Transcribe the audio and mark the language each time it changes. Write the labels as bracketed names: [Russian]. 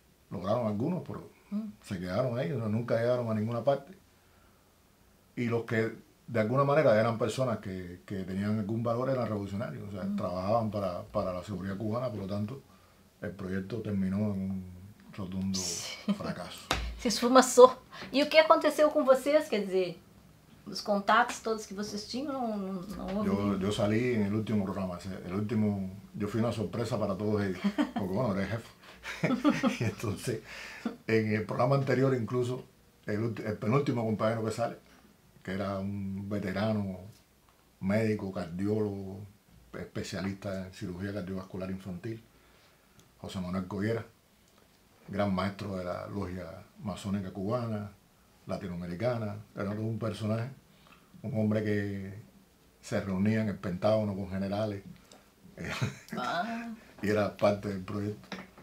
[Spanish] Lograron algunos, pero se quedaron ellos, nunca llegaron a ninguna parte. Y los que de alguna manera eran personas que tenían algún valor eran revolucionarios, o sea, trabajaban para la seguridad cubana, por lo tanto, el proyecto terminó en un rotundo fracaso. [Portuguese] Se esfumaçou. E o que aconteceu com vocês? Quer dizer, os contatos todos que vocês tinham, não houve? Eu saí no último programa. [Spanish] El último, [Portuguese] eu fui uma surpresa para todos eles. [Spanish] Porque, bueno, eres jefe. [Portuguese] E então, [Spanish] en el programa anterior, incluso, el penúltimo compañero que sale, que era un veterano médico, cardiólogo, especialista en cirugía cardiovascular infantil, José Manuel Goyera, gran maestro de la logia masónica cubana, latinoamericana, era todo un personaje, un hombre que se reunía en el Pentágono con generales y era parte del proyecto.